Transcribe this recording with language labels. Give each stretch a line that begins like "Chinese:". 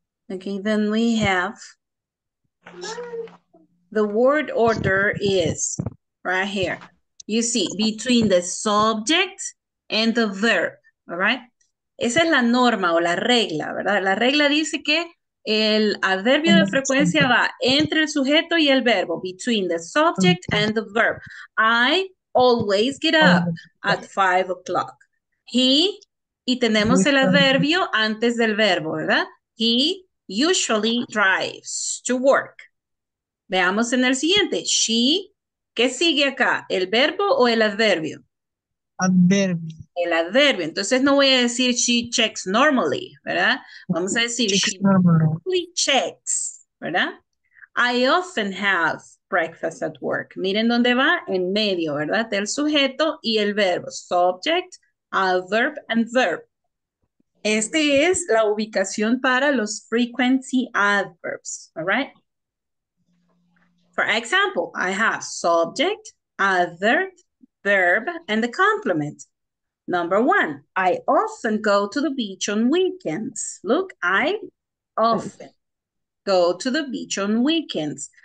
English: Okay, then we have the word order is right here. You see, between the subject and the verb, all right?
Spanish: Esa es la norma o la regla, ¿verdad? La regla dice que el adverbio de frecuencia va entre el sujeto y el verbo,
English: between the subject and the verb. I always get up at 5 o'clock.
Spanish: He, y tenemos el adverbio antes del verbo, ¿verdad?
English: He usually drives to work.
Spanish: Veamos en el siguiente. She, ¿qué sigue acá? ¿El verbo o el adverbio? Adverbio. El adverbio. Entonces no voy a decir
English: she checks normally,
Spanish: ¿verdad? Vamos a decir
English: checks she normally checks,
Spanish: ¿verdad?
English: I often have breakfast at work.
Spanish: Miren dónde va, en medio, ¿verdad? Del sujeto y el verbo.
English: Subject, adverb, and verb.
Spanish: Este es la ubicación para los frequency adverbs,
English: all right? For example, I have subject, adverb, verb, and the complement. Number one, I often go to the beach on weekends. Look, I often go to the beach on weekends.